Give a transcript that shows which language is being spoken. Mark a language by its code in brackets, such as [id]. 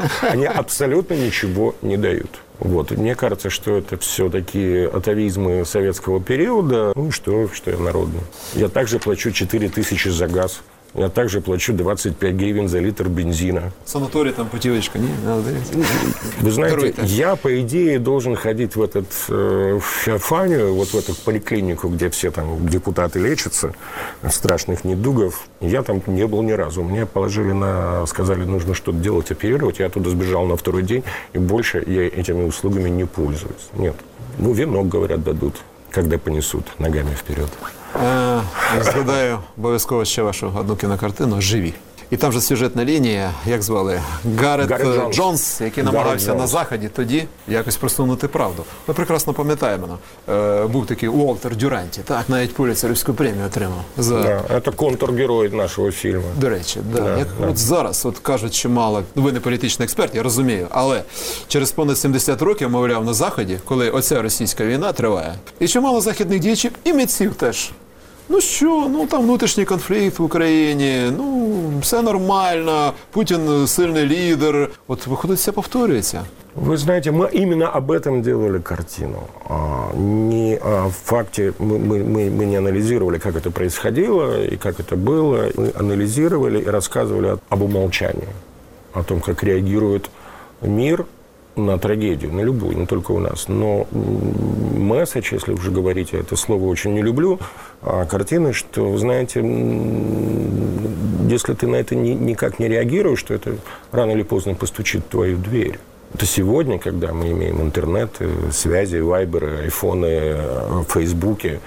[uk] Вони абсолютно нічого не дають. Вот. Мені кажется, що це все-таки атавізми совєтського періоду. Ну, що я народний. Я також плачу 4 тисячі за газ. Я також плачу 25 гривень за літр бензина. Санаторій там путівочка, ні? Ви знаєте, я, по ідеї, [ru] должен ходити в этот Феофанію, вот в эту поликлинику, где все там депутаты лечатся от страшных недугов. Я там не был ни разу. Мне положили на... Сказали, нужно что-то делать, оперировать. Я оттуда сбежал на второй день, и больше я этими услугами не пользуюсь. Нет. Ну, венок, говорят, дадут, когда понесут ногами вперед. [uk] Я згадаю обов'язково ще вашу одну кінокартину «Живі». І там же сюжетна лінія, як звали, Гарет Джонс, який намагався на Заході тоді якось просунути правду. Ми прекрасно пам'ятаємо, був такий Уолтер Дюранті, так, навіть Пулітцерівську премію отримав. За... Да, це контргерой нашого фільму. До речі, да. От зараз, от кажуть, чимало, ви не політичний експерт, я розумію, але через понад 70 років, мовляв, на Заході, коли оця російська війна триває, і чимало західних діячів, і митців теж. Ну що, ну там внутрішній конфлікт в Україні, ну все нормально, Путін сильний лідер. От виходить, все повторюється. Ви знаєте, ми іменно [ru] об этом делали картину. [uk] Не в факті, ми не аналізували, як це [ru] происходило [uk] і як це було. Ми аналізували і розказували [ru] об умовчанні, о том, [uk] як реагує [ru] мир на трагедию, на любую, не только у нас. Но месседж, если уже говорить, я это слово очень не люблю, а картины, что, знаете, если ты на это никак не реагируешь, то это рано или поздно постучит в твою дверь. Это сегодня, когда мы имеем интернет, связи, вайберы, айфоны, фейсбуки.